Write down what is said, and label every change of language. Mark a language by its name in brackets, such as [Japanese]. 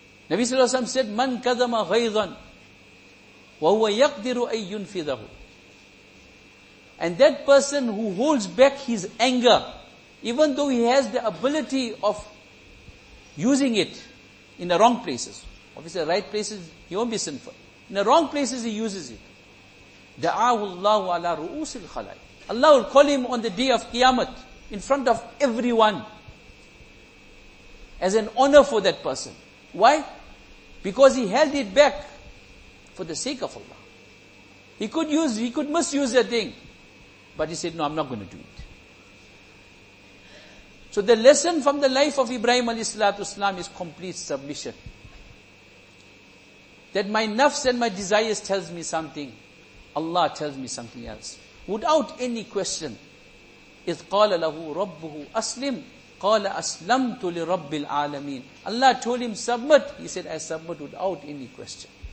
[English] Nabi sallallahu alayhi wa sallam said, [Arabic] مَنْ كَذَمَ غَيْظًا وَهُوَ يَقْدِرُ أَن يُنْفِذَهُ. [English] And that person who holds back his anger, even though he has the ability of using it in the wrong places. Obviously, the right places, he won't be sinful. In the wrong places, he uses it. [Arabic] دَعَاهُ اللَّهُ عَلَىٰ رُؤُوسِ الْخَلَاءِ. [English] Allah will call him on the day of Qiyamah in front of everyone as an honor for that person. Why? Because he held it back for the sake of Allah. He could misuse that thing. But he said, no, I'm not going to do it. So the lesson from the life of Ibrahim alayhi salatu wasalam is complete submission. That my nafs and my desires tells me something, Allah tells me something else. Without any question, [Arabic] إِذْ قَالَ لَهُ رَبُّهُ أَسْلِمْ قَالَ أَسْلَمْتُ لِرَبِّ الْعَالَمِينَ. [English] Allah told him, submit. He said, I submit without any question.